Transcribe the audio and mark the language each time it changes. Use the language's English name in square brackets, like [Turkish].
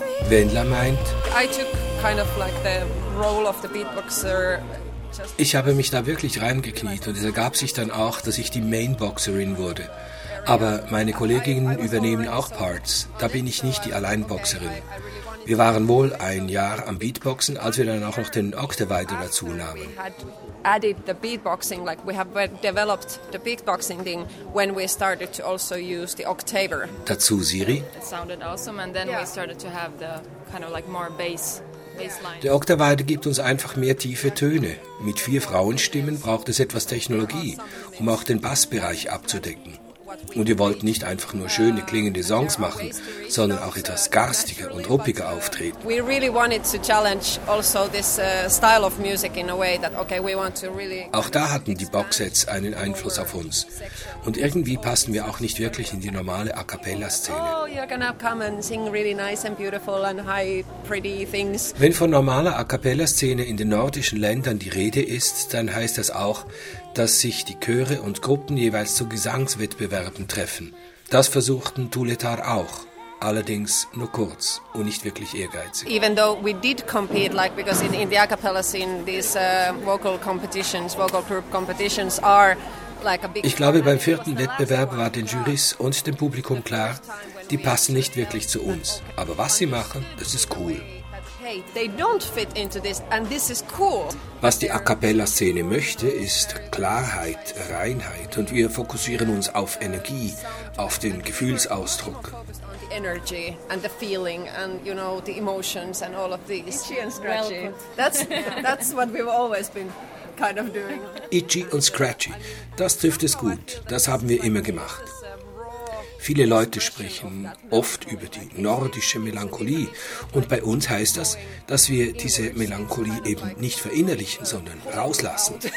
[German] Wendler meint, ich habe mich da wirklich reingekniet und es ergab sich dann auch, dass ich die Mainboxerin wurde. Aber meine Kolleginnen übernehmen auch Parts, da bin ich nicht die Alleinboxerin. Wir waren wohl ein Jahr am Beatboxen, als wir dann auch noch den Octavider dazu nahmen. [English] We had added the beatboxing, like we have developed the beatboxing thing when we started to also use the Octaver. [German] Dazu Siri. [English] It sounded awesome and then yeah. We started to have the kind of like more bass. [German] Der Octavider gibt uns einfach mehr tiefe Töne. Mit vier Frauenstimmen braucht es etwas Technologie, um auch den Bassbereich abzudecken. Und wir wollten nicht einfach nur schöne klingende Songs machen, sondern auch etwas garstiger und ruppiger auftreten. [English] We really wanted to challenge also this style of music in a way that okay we want to really. [German] Auch da hatten die Boxsets einen Einfluss auf uns. Und irgendwie passen wir auch nicht wirklich in die normale A Cappella-Szene. [English] Oh, you're gonna come and sing really nice and beautiful and high pretty things. [German] Wenn von normaler A Cappella-Szene in den nordischen Ländern die Rede ist, dann heißt das auch, dass sich die Chöre und Gruppen jeweils zu Gesangswettbewerben treffen. Das versuchten Tuletar auch, allerdings nur kurz und nicht wirklich ehrgeizig. [English] Even though we did compete, like because in the a cappella scene, these vocal competitions, vocal group competitions are like a big. [German] Ich glaube, beim vierten Wettbewerb war den Jurys und dem Publikum klar, die passen nicht wirklich zu uns. Aber was sie machen, das ist cool. [English] okay, they don't fit into this, and this is cool. [German] Was die A Cappella-Szene möchte, ist Klarheit, Reinheit, und wir fokussieren uns auf Energie, auf den Gefühlsausdruck. [English] Energy and the feeling and, you know, the emotions and all of these. Itchy and scratchy. Well, that's what we've always been kind of doing. Itchy and scratchy, [German] das trifft es gut, das haben wir immer gemacht. Viele Leute sprechen oft über die nordische Melancholie. Und bei uns heißt das, dass wir diese Melancholie eben nicht verinnerlichen, sondern rauslassen.